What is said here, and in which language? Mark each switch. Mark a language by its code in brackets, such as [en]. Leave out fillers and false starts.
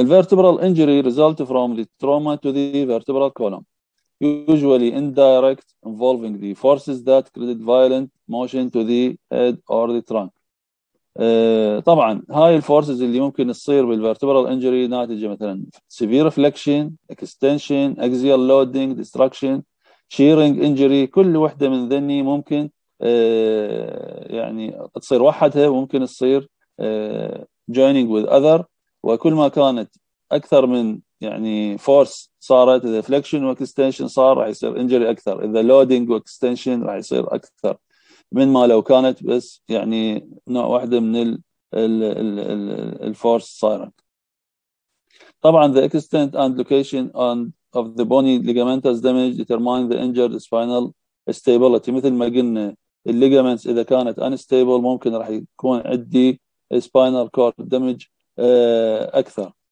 [en] The vertebral injury results from the trauma to the vertebral column, usually indirect, involving the forces that create violent motion to the head or the trunk. [ar] طبعاً هاي الفورسز اللي ممكن تصير بالvertebral injury ناتجة مثلاً [en] severe flexion, extension, axial loading, destruction, shearing injury, [ar] كل واحدة من ذني ممكن يعني تصير وحدها وممكن تصير [en] joining with other, [ar] وكل ما كانت أكثر من يعني force صارت إذا flexion وextension صار راح يصير injury أكثر, إذا loading وextension راح يصير أكثر من ما لو كانت بس يعني نوع واحدة من الفورس صايرك. طبعاً [en] the extent and location of the bony ligamentous damage determine the injured spinal stability. [ar] مثل ما قلنا الليجامنتس إذا كانت unstable ممكن راح يكون عندي spinal cord damage أكثر.